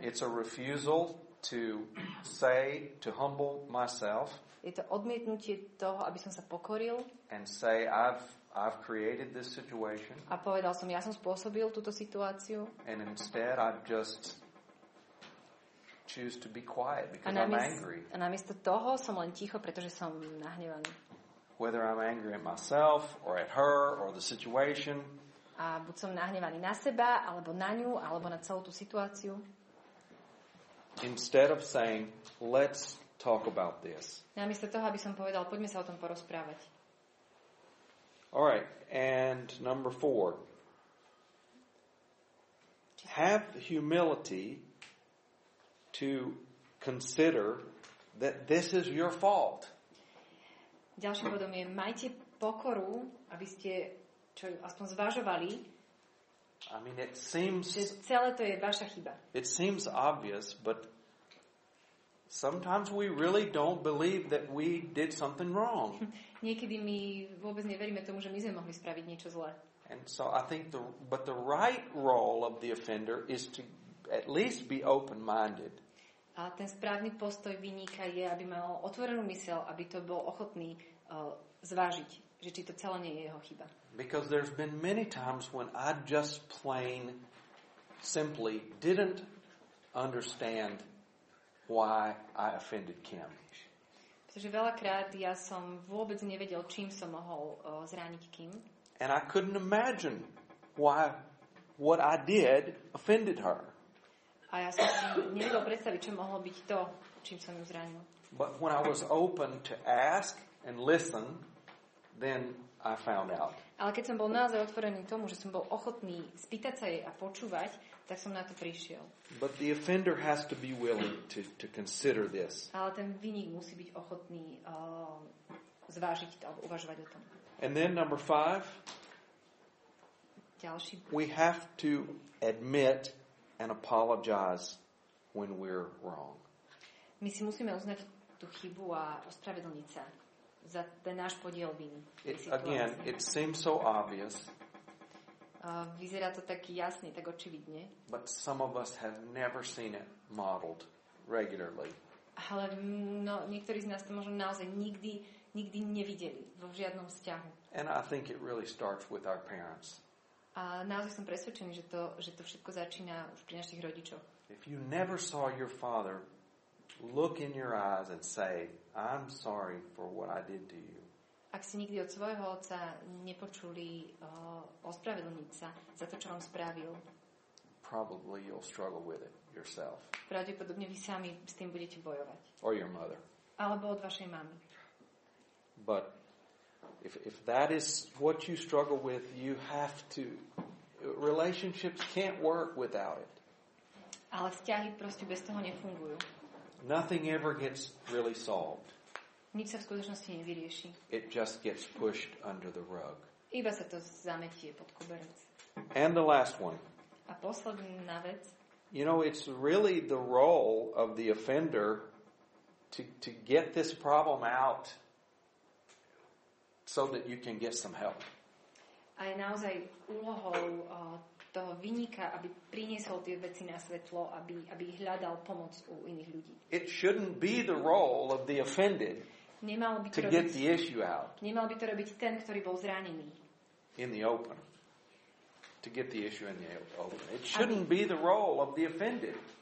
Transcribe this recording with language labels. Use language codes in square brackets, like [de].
[en] It's a refusal to say, to humble myself. [sk] Je to odmietnutie toho, aby som sa pokoril. [en] And say, I've created this situation. [sk] A povedal som, ja som spôsobil túto situáciu. [en] And instead, I just choose to be quiet because I'm angry. [sk] A namiesto toho som len ticho, pretože som nahnevaný. [en] Whether I'm angry at myself or at her or the situation. [sk] A buď som nahnevaný na seba, alebo na ňu, alebo na celú tú situáciu. [en] Instead of saying, let's talk about this. [sk] Namiesto toho, aby som povedal, poďme sa o tom porozprávať. [en] All right, and number four. Have humility to consider that this is your fault. [sk] Ďalšie podobne, majte pokoru, aby ste čo aspoň zvažovali. [en] I mean, it seems, [sk] že celé to je vaša chyba. [en] It seems obvious, but sometimes we really don't believe that we did something wrong. [sk] Niekedy my vôbec neveríme tomu, že my sme mohli spraviť niečo zlé. [en] And so I think the right role of the offender is to at least be open-minded. [sk] A ten správny postoj vyníka je, aby mal otvorenú mysel, aby to bol ochotný zvážiť, že či to celé nie je jeho chyba. [en] Because there's been many times when I just plain simply didn't understand why I offended Kim. [sk] Pretože veľakrát ja som vôbec nevedel, čím som mohol zraniť Kim. [en] And I couldn't imagine why what I did offended her. [sk] A ja som si nevedel predstaviť, čo mohlo byť to, čím som ju zranil. [en] But when I was open to ask and listen, then I found out. [sk] Ale keď som bol naozaj otvorený tomu, že som bol ochotný spýtať sa jej a počúvať, tak som na to prišiel. [en] But the offender has to be willing to consider this. [sk] Ale ten vinník musí byť ochotný zvážiť to, alebo uvažovať o tom. [en] And then number five. [sk] Ďalší. [en] We have to admit and apologize when we're wrong. [sk] My si musíme uznať tú chybu a ospravedlniť sa za ten náš podiel viny. [en] Again, it seems so obvious. [sk] Vyzerá to tak jasne, tak očividne. [en] But some of us have never seen it modeled regularly. [sk] Ale no, niektorí z nás to možno naozaj nikdy nevideli vo žiadnom vzťahu. [en] And I think it really starts with our parents. [sk] A naozaj som presvedčený, že to všetko začína už pri našich rodičoch. [en] If you never saw your father look in your eyes and say, I'm sorry for what I did to you. [sk] Ak si nikdy od svojho otca nepočuli ospravedlniť sa za to, čo vám spravil, [en] probably you'll struggle with it yourself. [sk] Pravdepodobne vy sami s tým budete bojovať. [en] Or your mother. [sk] Alebo od vašej mamy. [en] But If that is what you struggle with, you have to. Relationships can't work without it. [sk] Ale vzťahy proste bez toho nefungujú. [en] Nothing ever gets really solved. [sk] Nič sa v skutočnosti nevyrieši. [en] It just gets pushed under the rug. [sk] Iba sa to zametie pod koberec. [en] And the last one. [sk] A posledná vec. [en] You know, it's really the role of the offender to get this problem out so that you can get some help. [sk] A je naozaj úlohou toho vinníka, aby priniesol tie veci na svetlo, aby hľadal pomoc u iných ľudí. [en] It shouldn't be the role of the offended. [sk] Nemalo by [en] to get the issue out. [sk] Nemal by to robiť ten, ktorý bol zranený. [en] In the open. To get the issue in the open. It shouldn't be the role of the offended.